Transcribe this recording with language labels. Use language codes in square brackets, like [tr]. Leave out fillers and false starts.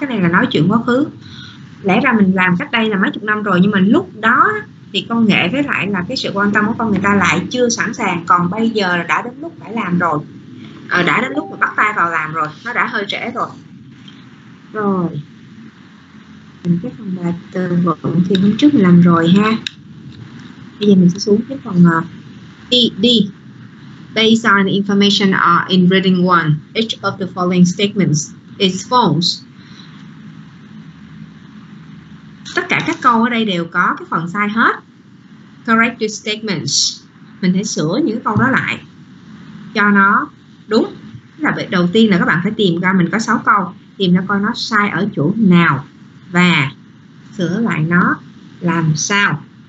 [vi] Cái này là nói chuyện quá khứ. Lẽ ra mình làm cách đây là mấy chục năm rồi, nhưng mà lúc đó thì công nghệ với lại là cái sự quan tâm của con người ta lại chưa sẵn sàng, còn bây giờ là đã đến lúc phải làm rồi, đã đến lúc mà bắt tay vào làm rồi, nó đã hơi trễ rồi. Rồi mình cái phần bài từ vựng thì hôm trước mình làm rồi ha. Bây giờ mình sẽ xuống cái phần đi. [en] Based on the information in reading one, each of the following statements is false. [vi] Tất cả các câu ở đây đều có cái phần sai hết. [en] Correct the statements. [vi] Mình hãy sửa những câu đó lại. cho nó đúng. Là đầu tiên là các bạn phải tìm ra, mình có 6 câu, tìm ra coi nó sai ở chỗ nào và sửa lại nó làm sao.